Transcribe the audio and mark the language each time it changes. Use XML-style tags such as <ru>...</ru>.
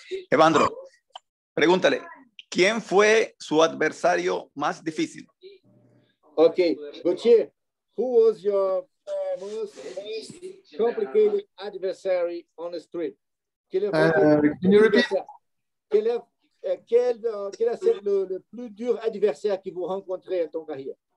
<es>Evandro, pregúntale, ¿quién fue su adversario más difícil?</es> <en>Okay, Gauthier, who was your most complicated adversary on the street? Can you repeat?</en> <fr>Quel a été le plus dur adversaire que vous rencontrez en ton carrière?</fr>